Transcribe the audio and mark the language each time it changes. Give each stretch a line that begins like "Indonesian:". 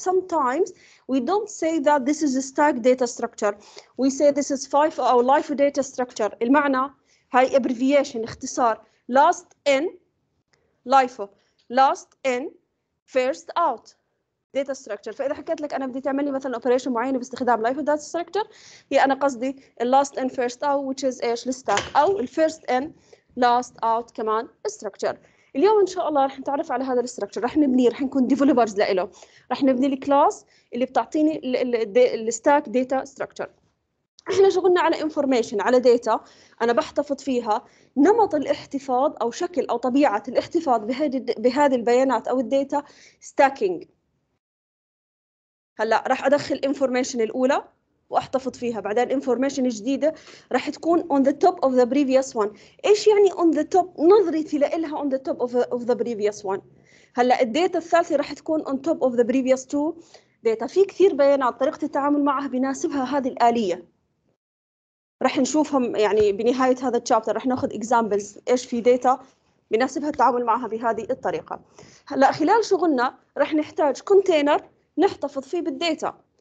English: Sometimes we don't say that this is a stack data structure. We say this is FIFO
Arabic: أو
English: LIFO data structure.
Arabic: المعنى هاي abbreviation اختصار.
English: Last in LIFO. Last in first out. Data structure.
Arabic: فإذا حكيت لك أنا بدي تعمل لي مثلا operation معينة باستخدام
English: LIFO data structure،
Arabic: هي أنا قصدي
English: last in first out which is
Arabic: إيش الستاك، أو
English: first in last out
Arabic: كمان structure. اليوم إن شاء الله رح نتعرف على هذا الستركتشر، رح نبني، رح نكون ديفلوبرز لإله، رح نبني الكلاس اللي بتعطيني الستاك داتا ستركتشر. إحنا شغلنا على information، على data أنا بحتفظ فيها. نمط الاحتفاظ أو شكل أو طبيعة الاحتفاظ بهذه البيانات أو data stacking. هلا راح ادخل انفورميشن الاولى واحتفظ فيها، بعدين انفورميشن جديده راح تكون
English: on the top of the previous one.
Arabic: ايش يعني
English: on the top؟
Arabic: نظرتي لها
English: on the top of the previous one.
Arabic: هلا الداتا الثالثه راح تكون
English: on top of the previous two data.
Arabic: في كثير بيانات طريقه التعامل معها بناسبها هذه الاليه، راح نشوفهم يعني بنهايه هذا الشابتر. راح ناخذ examples ايش في داتا بناسبها التعامل معها بهذه الطريقه. هلا خلال شغلنا راح نحتاج كونتينر نحتفظ فيه بالديتا.